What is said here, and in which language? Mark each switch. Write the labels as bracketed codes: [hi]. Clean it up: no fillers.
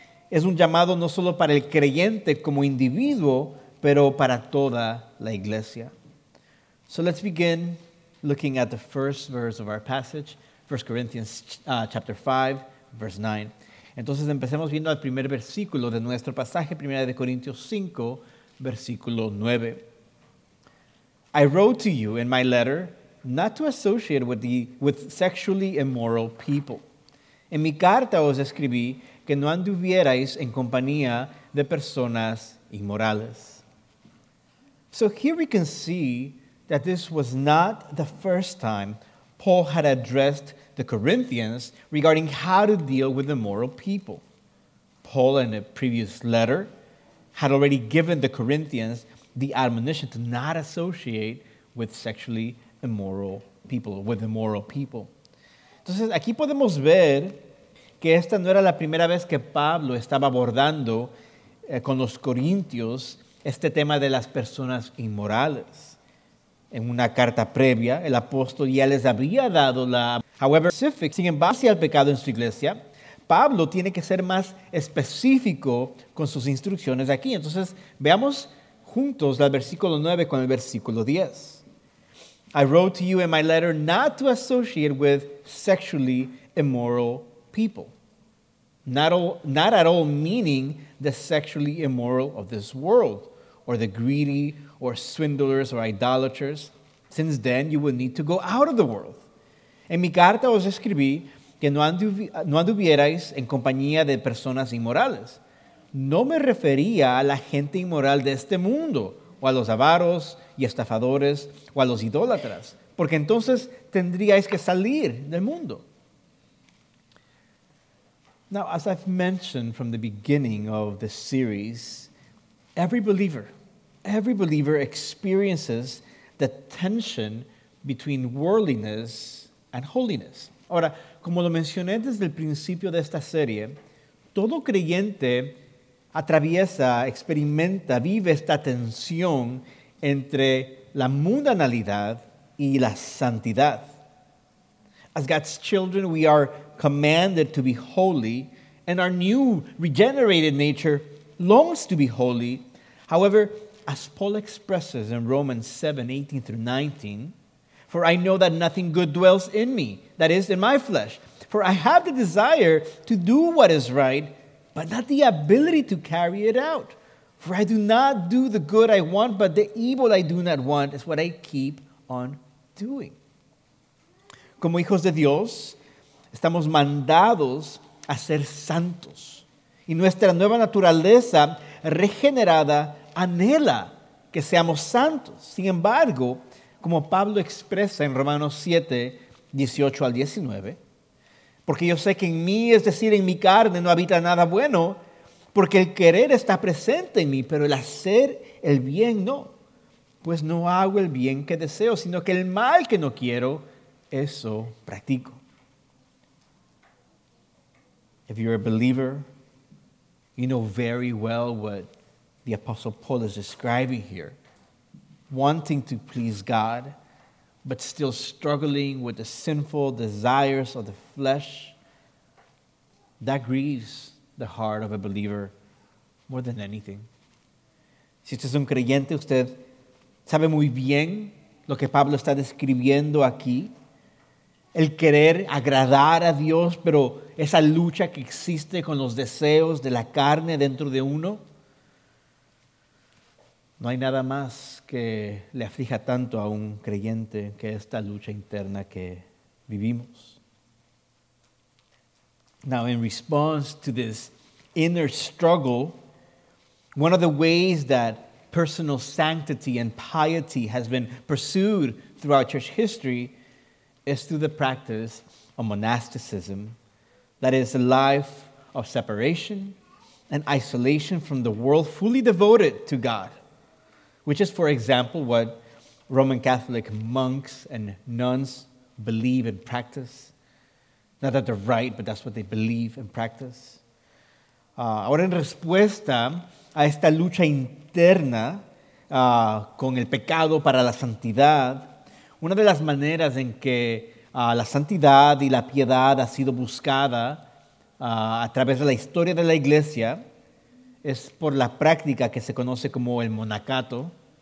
[es] Es un llamado no solo para el creyente como individuo, pero para toda la iglesia. [en] So let's begin looking at the first verse of our passage, 1 Corinthians chapter 5, verse 9. [es] Entonces empecemos viendo el primer versículo de nuestro pasaje, 1 Corintios 5, versículo 9. [en] I wrote to you in my letter not to associate with sexually immoral people. [es] En mi carta os escribí que no anduvierais en compañía de personas inmorales. [en] So here we can see that this was not the first time Paul had addressed the Corinthians regarding how to deal with immoral people. Paul, in a previous letter, had already given the Corinthians the admonition to not associate with sexually immoral people, with immoral people. [es] Entonces, aquí podemos ver que esta no era la primera vez que Pablo estaba abordando con los corintios este tema de las personas inmorales. En una carta previa, el apóstol ya les había dado la... [en] However, specific, [es] sin embargo, al pecado en su iglesia, Pablo tiene que ser más específico con sus instrucciones aquí. Entonces, veamos juntos el versículo 9 con el versículo 10. [en] I wrote to you in my letter not to associate with sexually immoral people. Not at all meaning the sexually immoral of this world, or the greedy, or swindlers, or idolaters. Since then, you will need to go out of the world. [es] En mi carta os escribí que no anduvierais en compañía de personas inmorales. No me refería a la gente inmoral de este mundo, o a los avaros y estafadores, o a los idólatras, porque entonces tendríais que salir del mundo. [en] Now, as I've mentioned from the beginning of this series, every believer experiences the tension between worldliness and holiness. [es] Ahora, como lo mencioné desde el principio de esta serie, todo creyente atraviesa, experimenta, vive esta tensión entre la mundanalidad y la santidad. [en] As God's children, we are commanded to be holy, and our new regenerated nature longs to be holy. However, as Paul expresses in Romans 7:18 through 19, for I know that nothing good dwells in me, that is, in my flesh. For I have the desire to do what is right, but not the ability to carry it out. For I do not do the good I want, but the evil I do not want is what I keep on doing. [es] Como hijos de Dios, estamos mandados a ser santos. Y nuestra nueva naturaleza regenerada anhela que seamos santos. Sin embargo, como Pablo expresa en Romanos 7, 18 al 19, porque yo sé que en mí, es decir, en mi carne, no habita nada bueno, porque el querer está presente en mí, pero el hacer el bien no. Pues no hago el bien que deseo, sino que el mal que no quiero, eso practico. [en] If you're a believer, you know very well what the Apostle Paul is describing here. Wanting to please God, but still struggling with the sinful desires of the flesh, that grieves the heart of a believer more than anything. [es] Si usted es un creyente, usted sabe muy bien lo que Pablo está describiendo aquí. El querer agradar a Dios, pero esa lucha que existe con los deseos de la carne dentro de uno. No hay nada más que le aflija tanto a un creyente que esta lucha interna que vivimos. [en] Now, in response to this inner struggle, one of the ways that personal sanctity and piety has been pursued throughout church history is through the practice of monasticism, that is, a life of separation and isolation from the world, fully devoted to God. Which is, for example, what Roman Catholic monks and nuns believe and practice. Not that they're right, but that's what they believe and practice. [es] Ahora, en respuesta a esta lucha interna con el pecado para la santidad, una de las maneras en que la santidad y la piedad ha sido buscada a través de la historia de la Iglesia es por la práctica que se conoce como el monacato.